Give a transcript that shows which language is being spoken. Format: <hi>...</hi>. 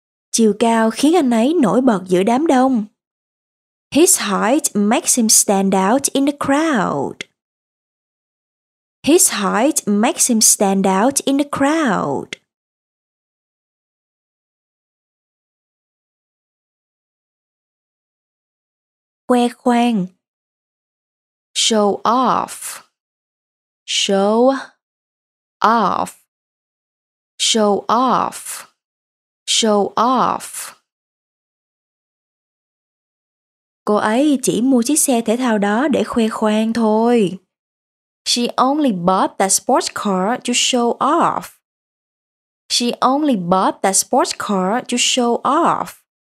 <vi>Chiều cao khiến anh ấy nổi bật giữa đám đông.</vi> <en>His height makes him stand out in the crowd. His height makes him stand out in the crowd.</en> <vi>Khoe khoang.</vi> <en>Show off. Show off. Show off. Show off.</en> <vi>Cô ấy chỉ mua chiếc xe thể thao đó để khoe khoang thôi.</vi> <en>She only bought that sports car to show off. She only bought that sports car to show off.</en>